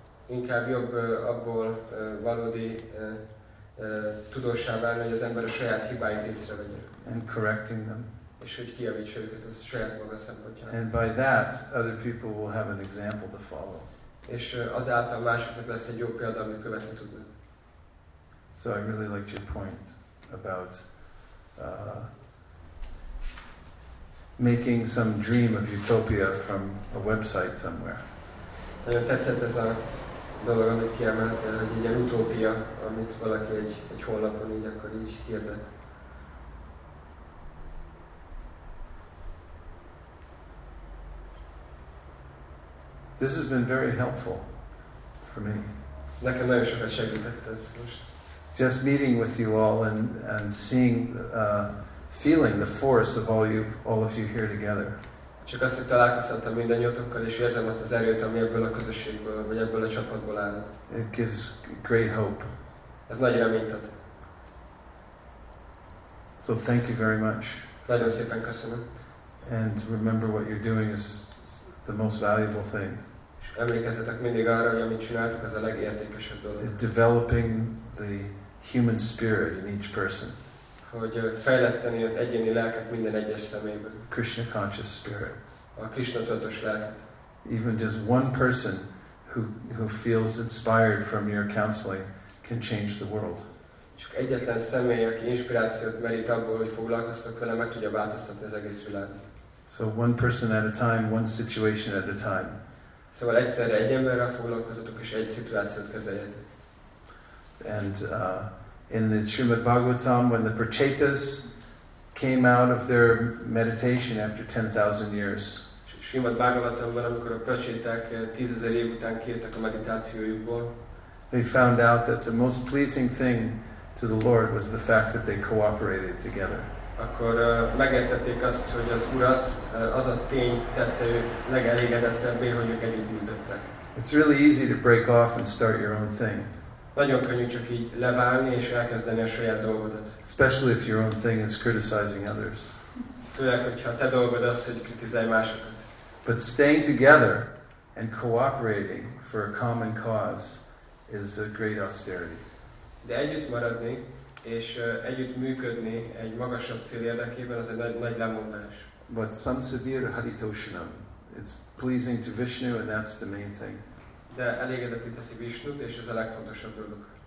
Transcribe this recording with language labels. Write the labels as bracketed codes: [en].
[hu] Inkább jobb abból valódi tudósá válni, hogy az ember a saját hibáit észrevegye. [en] And correcting them. [hu] És hogy kijavítsa őket a saját maga szempontjára. [en] And by that, other people will have an example to follow. [hu] És azáltal másoknak lesz egy jó példa, amit követni tudnak. [en] So I really liked your point about making some dream of utopia from a website somewhere. [hu] Nagyon tetszett ez a dolog, amit kiemeltél, hogy egy ilyen utópia, amit valaki egy honlapon így akkor így hirdet. [en] This has been very helpful for me. [hu] Nekem nagyon sokat segített ez most. [en] Just meeting with you all and seeing, feeling the force of all of you here together. [hu] Csak azt, hogy találkoztam mindannyiótokkal, és érzem azt az erőt, ami ebből a közösségből, vagy ebből a csapatból állat. [en] It gives great hope. [hu] Ez nagy reményt ad. [en] So thank you very much. [hu] Nagyon szépen köszönöm. [en] And remember what you're doing is the most valuable thing. [hu] Emlékezzetek mindig arra, hogy amit csináltok, az a legértékesebb dolog. [en] Developing the human spirit in each person. [hu] Hogy fejleszteni az egyéni lelket minden egyes személyben. [en] Krishna conscious spirit. [hu] A Krishna tudatos lelket. [en] Even just one person who feels inspired from your counseling can change the world. [hu] Csak egyetlen személy, aki inspirációt merít abból, hogy foglalkoztok vele, meg tudja változtatni az egész világot. [en] So one person at a time, one situation at a time. [hu] Szóval egyszerre egy emberrel foglalkozatok és egy szituációt kezeljetek. [en] And in the Srimad Bhagavatam, when the Prachetas came out of their meditation after 10,000 years, [hu] Srimad Bhagavatamban, amikor a Pracheták 10,000 év után kijöttek a meditációjukból, [en] they found out that the most pleasing thing to the Lord was the fact that they cooperated together. [hu] Akkor megértették azt, hogy az Urat, az a tény tette ő legelégedettebbé, hogy ők együtt működtek. [en] It's really easy to break off and start your own thing. [hu] Nagyon könnyű csak így leválni és elkezdeni a saját dolgodat. [en] Especially if your own thing is criticizing others. [hu] Főleg, hogyha te dolgod az, hogy kritizálj másokat. [en] But staying together and cooperating for a common cause is a great austerity. [hu] De együtt maradni és együtt működni egy magasabb cél érdekében, az egy nagy lemondás. But some severe haritoshanam. [en] It's pleasing to Vishnu, and that's the main thing. [hu] De elégedetté teszi Vishnut, és ez a legfontosabb dolog.